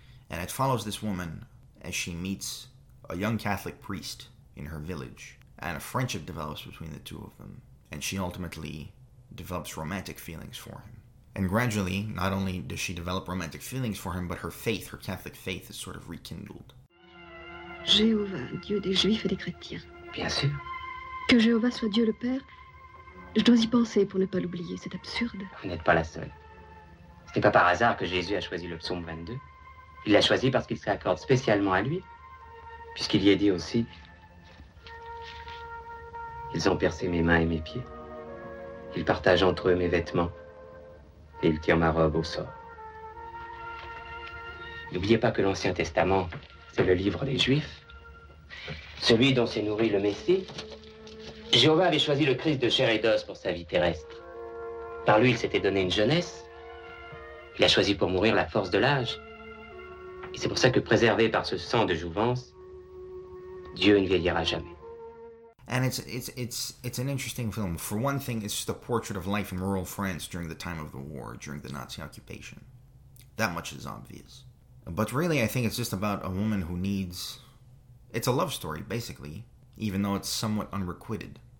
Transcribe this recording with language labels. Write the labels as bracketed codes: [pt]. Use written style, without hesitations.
[en] And it follows this woman as she meets a young Catholic priest in her village. And a friendship develops between the two of them. And she ultimately develops romantic feelings for him. And gradually, not only does she develop romantic feelings for him, but her faith, her Catholic faith, is sort of rekindled. [fr] Jéhovah, Dieu des Juifs et des Chrétiens. Bien sûr. Que Jéhovah soit Dieu le Père, je dois y penser pour ne pas l'oublier, c'est absurde. Vous n'êtes pas la seule. Ce n'est pas par hasard que Jésus a choisi le psaume 22. Il l'a choisi parce qu'il se raccorde spécialement à lui. Puisqu'il y est dit aussi, ils ont percé mes mains et mes pieds. Ils partagent entre eux mes vêtements. Et il tire ma robe au sort. N'oubliez pas que l'Ancien Testament, c'est le livre des Juifs, celui dont s'est nourri le Messie. Jéhovah avait choisi le Christ de chair et d'os pour sa vie terrestre. Par lui, il s'était donné une jeunesse. Il a choisi pour mourir la force de l'âge. Et c'est pour ça que, préservé par ce sang de jouvence, Dieu ne vieillira jamais. [en] And it's an interesting film. For one thing, it's just a portrait of life in rural France during the time of the war, during the Nazi occupation. That much is obvious. But really, I think it's just about a woman who needs... It's a love story, basically, even though it's somewhat unrequited.